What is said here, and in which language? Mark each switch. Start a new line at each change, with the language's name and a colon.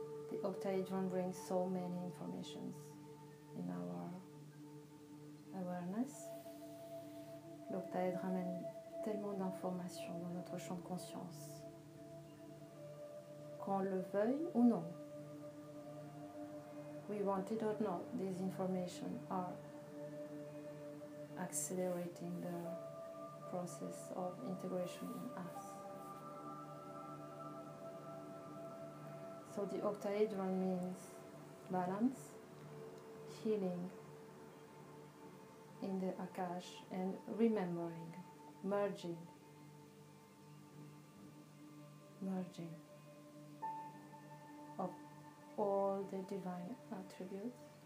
English: The octahedron brings so many informations in our awareness.
French: L'octaèdre amène tellement d'informations dans notre champ de conscience qu'on le veuille ou non.
English: We want it or not, these information are accelerating the process of integration in us. So the octahedron means balance, healing in the Akash, and remembering, merging of all the divine attributes.